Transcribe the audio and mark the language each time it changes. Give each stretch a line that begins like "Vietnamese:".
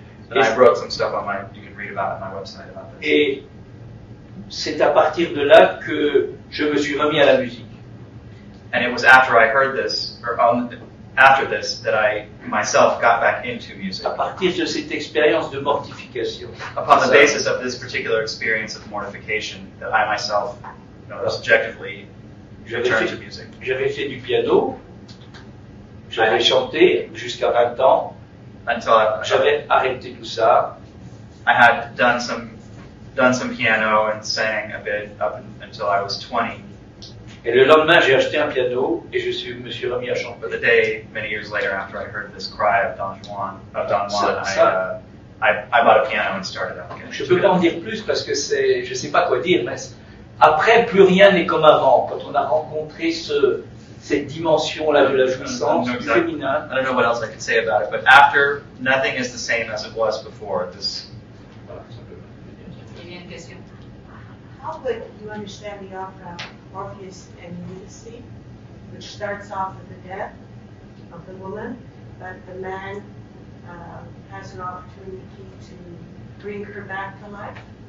English: And I wrote some stuff on my, you can read about it on my website about this.
French: Et c'est à partir de là que je me suis remis à la musique.
English: And it was after I heard this, or after this, that I myself got back into music.
French: À partir de cette expérience de mortification.
English: Upon the basis of this particular experience of mortification, that I myself, you know, subjectively, returned to music.
French: J'avais fait du piano. J'avais chanté jusqu'à 20 ans.
English: Until
French: j'avais arrêté tout ça.
English: I had done some piano and sang a bit up until I was 20.
French: Et le lendemain, j'ai acheté un piano et me suis remis à chanter.
English: But the day, many years later, after I heard this cry of Don Juan, I bought a piano and started up again.
French: Je ne peux pas en dire plus parce que je ne sais pas quoi dire, mais après, plus rien n'est comme avant. Quand on a rencontré cette dimension-là de la jouissance, du féminin.
English: I don't know what else I can say about it, but after, nothing is the same as it was before. This.
French: Il y a une question.
English: How would you understand the opera Orpheus and Eurydice, which starts off with the death of the woman, but the man has an opportunity to bring her back to life?